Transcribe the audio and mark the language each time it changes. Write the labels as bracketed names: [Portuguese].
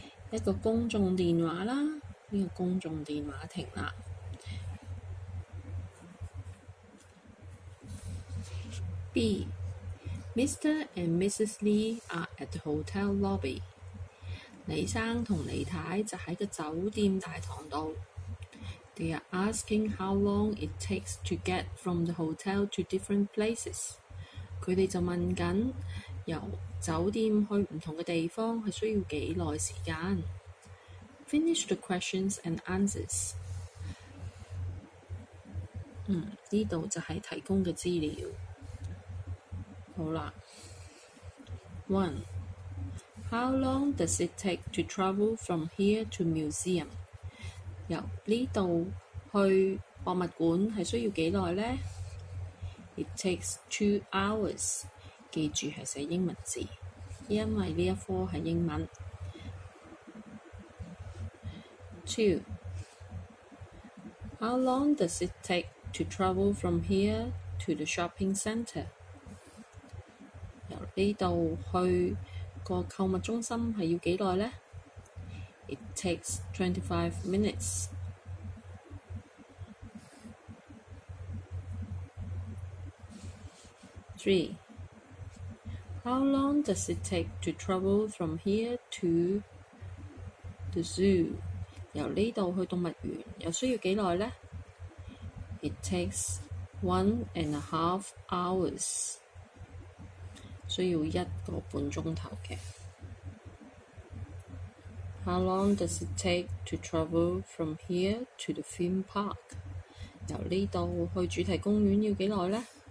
[Cantonese] 一個公眾電話啦，呢個公眾電話亭啦。 [English] B. Mr. and Mrs. Lee are at the hotel lobby. [Cantonese] 李生同李太就喺個酒店大堂度。 [English] They are asking how long it takes to get from the hotel to different places. [Cantonese] 佢哋就問緊由酒店去唔同嘅地方係需要幾耐時間。 [English] Finish the questions and answers. [Cantonese] 呢度就係提供嘅資料。好啦。 [English] One. How long does it take to travel from here to museum? [Cantonese] 由呢度去博物館係需要幾耐呢？ [English] It takes 2 hours. [Cantonese] 記住係寫英文字，因為呢一科係英文。 [English] 2. How long does it take to travel from here to the shopping center? [Cantonese] 由呢度去個購物中心係要幾耐呢？ [English] It takes 25 minutes. 3. How long does it take to travel from here to the zoo? [Cantonese] 由呢度去動物園又需要幾耐呢？ [English] It takes 1.5 hours. [Cantonese] 需要一個半鐘頭嘅。 [English] How long does it take to travel from here to the theme park? [Cantonese] 由呢度去主題公園要幾耐呢？